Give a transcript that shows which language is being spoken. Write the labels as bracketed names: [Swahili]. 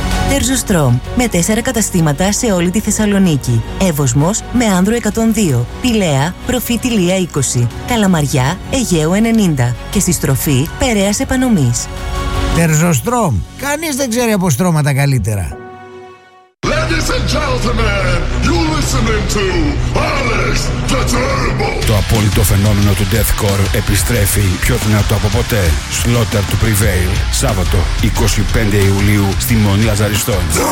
[Greek] Terzostrom, με 4 καταστήματα σε όλη τη Θεσσαλονίκη. Εύοσμος, με Άνδρο 102, Πειλαία, Προφήτη Λία 20, Καλαμαριά, Αιγαίο 90 και στη στροφή Περέας Επανομής. Terzostrom, κανείς δεν ξέρει από στρώματα καλύτερα. [English] Ladies and gentlemen, you're listening to Alex the Terrible. [Greek] Το απόλυτο φαινόμενο του Deathcore επιστρέφει πιο δυνατό από ποτέ. Slaughter to Prevail, Σάββατο 25 Ιουλίου στη Μονή Λαζαριστών.